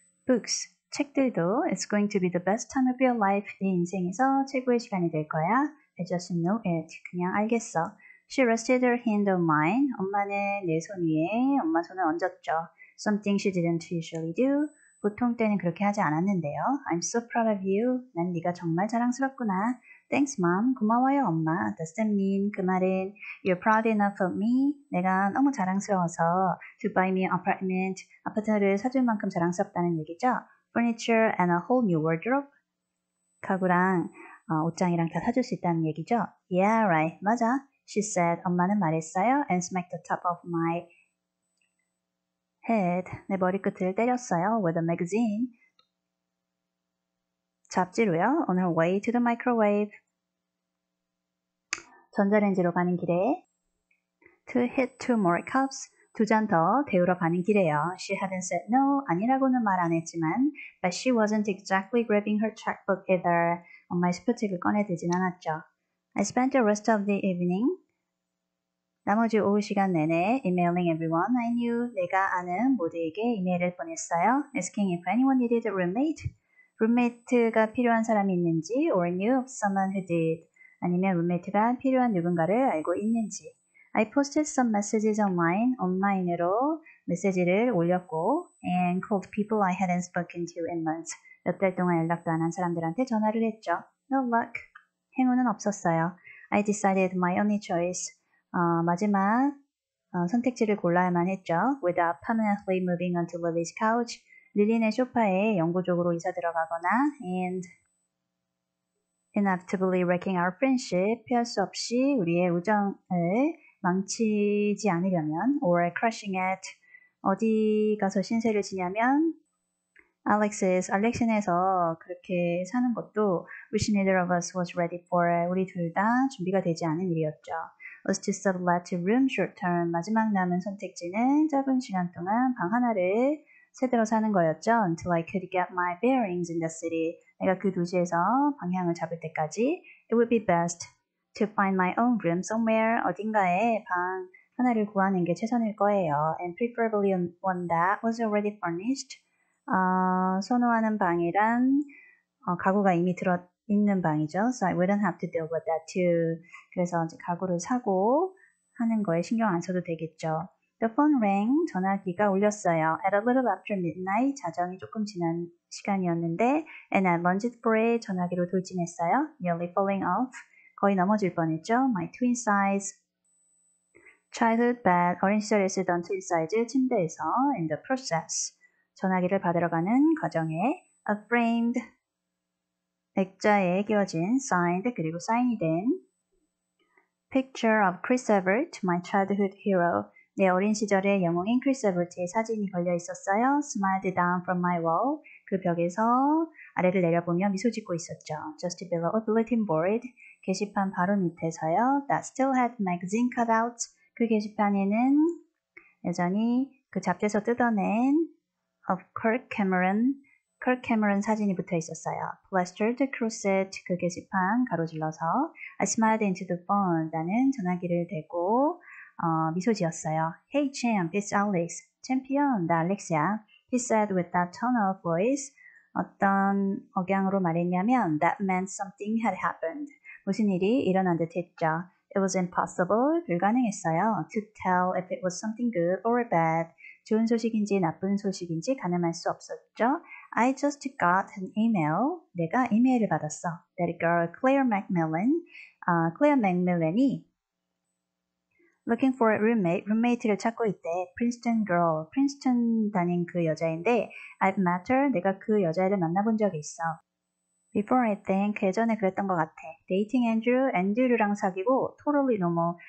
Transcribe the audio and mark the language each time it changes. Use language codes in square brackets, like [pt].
[en] books, [ko] 책들도 [en] it's going to be the best time of your life. [ko] 네 인생에서 최고의 시간이 될 거야. [en] I just know it. [ko] 그냥 알겠어. [en] She rested her hand on mine. [ko] 엄마는 내손 위에 엄마 손을 얹었죠. [en] Something she didn't usually do. [ko] 보통 때는 그렇게 하지 않았는데요. [en] I'm so proud of you. [ko] 난 네가 정말 자랑스럽구나. [en] Thanks, mom. [ko] 고마워요, 엄마. [en] Does that mean? [ko] 그 말은 [en] You're proud enough of me? [ko] 내가 너무 자랑스러워서 [en] To buy me an apartment. [ko] 아파트를 사줄 만큼 자랑스럽다는 얘기죠. [en] Furniture and a whole new wardrobe. [ko] 가구랑 옷장이랑 다 사줄 수 있다는 얘기죠. [en] Yeah, right. [ko] 맞아. [en] She said, [ko] 엄마는 말했어요. [en] And smacked the top of my head. [ko] 내 머리끝을 때렸어요. [en] With a magazine. [ko] 잡지로요. [en] On her way to the microwave. [ko] 전자레인지로 가는 길에. [en] To hit two more cups. [ko] 두잔더 데우러 가는 길에요. [en] She hadn't said no. [ko] 아니라고는 말안 했지만. [en] But she wasn't exactly grabbing her checkbook either. [ko] 엄마의 스포츠를 꺼내들진 않았죠. [en] I spent the rest of the evening. [ko] 나머지 오후 시간 내내 [en] emailing everyone I knew. [ko] 내가 아는 모두에게 이메일을 보냈어요. [en] Asking if anyone needed a roommate. [ko] 룸메이트가 필요한 사람이 있는지 [en] or knew of someone who did. [ko] 아니면 룸메이트가 필요한 누군가를 알고 있는지. [en] I posted some messages online. [ko] 온라인으로 메시지를 올렸고 [en] and called people I hadn't spoken to in months. [ko] 몇달 동안 연락도 안한 사람들한테 전화를 했죠. [en] No luck. 행운은 없었어요. I decided my only choice. [ko] 마지막 선택지를 골라야만 했죠. [en] Without permanently moving onto Lily's couch, [ko] 릴리네 소파에 영구적으로 이사 들어가거나 [en] and inevitably wrecking our friendship, [ko] 피할 수 없이 우리의 우정을 망치지 않으려면 [en] or crushing it. [ko] 어디 가서 신세를 지냐면 알렉신에서 그렇게 사는 것도 [en] which neither of us was ready for. [ko] 우리 둘다 준비가 되지 않은 일이었죠. [en] Was to sublet to room short term. [ko] 마지막 남은 선택지는 짧은 시간 동안 방 하나를 세대로 사는 거였죠. [en] Until I could get my bearings in the city. [ko] 내가 그 도시에서 방향을 잡을 때까지. [en] It would be best to find my own room somewhere. [ko] 어딘가에 방 하나를 구하는 게 최선일 거예요. [en] And preferably one that was already furnished. [ko] 선호하는 방이란 가구가 이미 있는 방이죠. [en] So I wouldn't have to deal with that too. [ko] 그래서 이제 가구를 사고 하는 거에 신경 안 써도 되겠죠. [en] The phone rang. [ko] 전화기가 울렸어요. [en] At a little after midnight. [ko] 자정이 조금 지난 시간이었는데. [en] And I lunged for it. [ko] 전화기로 돌진했어요. [en] Nearly falling off. [ko] 거의 넘어질 뻔했죠. [en] My twin size. Childhood bed. [ko] 어린 시절에 쓰던 twin size 침대에서. [en] In the process. [ko] 전화기를 받으러 가는 과정에. [en] A framed. [ko] 액자에 끼워진 [en] signed. [ko] 그리고 사인이 된. [en] Picture of Chris Evert. My childhood hero. [ko] 내 어린 시절의 영웅인 크리스 에버트의 사진이 걸려 있었어요. [en] Smiled down from my wall. [ko] 그 벽에서 아래를 내려보며 미소 짓고 있었죠. [en] Just below a bulletin board. [ko] 게시판 바로 밑에서요. [en] That still had magazine cutouts. [ko] 그 게시판에는 여전히 그 잡지에서 뜯어낸 [en] of Kirk Cameron [ko] 사진이 붙어 있었어요. [en] Plastered across it. [ko] 그 게시판 가로질러서 [en] I smiled into the phone. [ko] 나는 전화기를 대고 미소 지었어요. [en] Hey champ, it's Alex. [ko] 챔피언, 나 알렉스야. [en] He said with that tone of voice. [ko] 어떤 억양으로 말했냐면 [en] That meant something had happened. [ko] 무슨 일이 일어난 듯 했죠. [en] It was impossible, [ko] 불가능했어요. [en] To tell if it was something good or bad. [ko] 좋은 소식인지 나쁜 소식인지 가늠할 수 없었죠. [en] I just got an email. [ko] 내가 이메일을 받았어. [en] That girl Claire Macmillan. Claire Macmillan이 Looking for a roommate. [ko] 룸메이트를 찾고 있대. [en] Princeton girl. Princeton [ko] 다닌 그 여자인데, [en] I've met her. [ko] 내가 그 여자애를 만나본 적이 있어. [en] Before I think. [ko] 예전에 그랬던 것 같아. [en] Dating Andrew. [ko] Andrew랑 사귀고, [en] totally normal.